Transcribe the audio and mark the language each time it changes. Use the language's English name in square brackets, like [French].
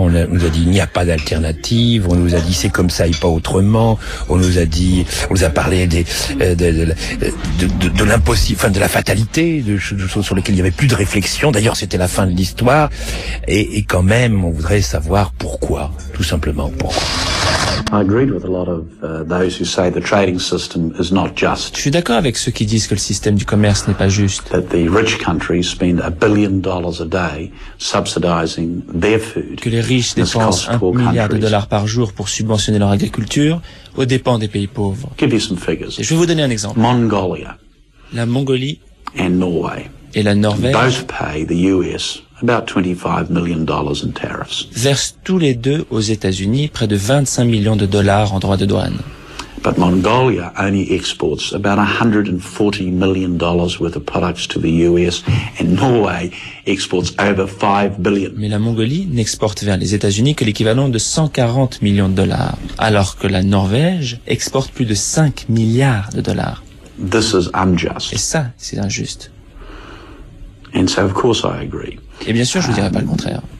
[French] On nous a dit il n'y a pas d'alternative. On nous a dit c'est comme ça et pas autrement. On nous a parlé de l'impossible, enfin de la fatalité, de choses sur lesquelles il n'y avait plus de réflexion. D'ailleurs c'était la fin de l'histoire. Et quand même on voudrait savoir pourquoi, tout simplement pourquoi. [English] I agreed with a lot of those who say the trading system is not just. [French] Je suis d'accord avec ceux qui disent que le système du commerce n'est pas juste. [English] That the rich countries spend $1 billion a day subsidizing their food. [French] Que les riches dépensent 1 milliard de dollars par jour pour subventionner leur agriculture aux dépens des pays pauvres. [English] Give you some figures. [French] Et je vais vous donner un exemple. [English] Mongolia. [French] La Mongolie. [English] And Norway. [French] Et la Norvège. [English] Both pay the US About $25 million in tariffs. [French] Versent tous les deux aux États-Unis près de 25 millions de dollars en droits de douane. [English] But Mongolia only exports about $140 million worth of products to the US, and Norway exports over $5 billion. [French] Mais la Mongolie n'exporte vers les États-Unis que l'équivalent de 140 millions de dollars, alors que la Norvège exporte plus de 5 milliards de dollars. [English] This is unjust. [French] Et ça, c'est injuste. [English] And so of course I agree. [French] Et bien sûr, je vous dirai pas le contraire.